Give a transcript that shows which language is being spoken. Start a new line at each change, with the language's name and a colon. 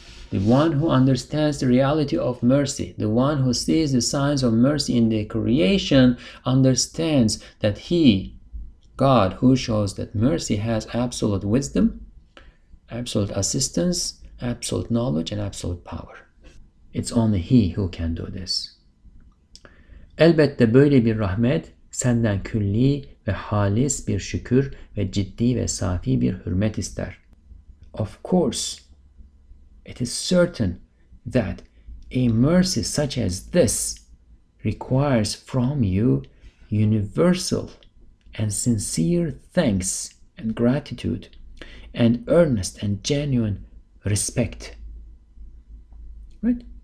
English: The one who understands the reality of mercy, the one who sees the signs of mercy in the creation, understands that he, God, who shows that mercy has absolute wisdom, absolute assistance, absolute knowledge, and absolute power. It's only he who can do this.
Turkish: Elbette böyle bir rahmet, senden külli ve halis bir şükür ve ciddi ve safi bir hürmet ister.
English: Of course, it is certain that a mercy such as this requires from you universal and sincere thanks and gratitude and earnest and genuine respect. Right?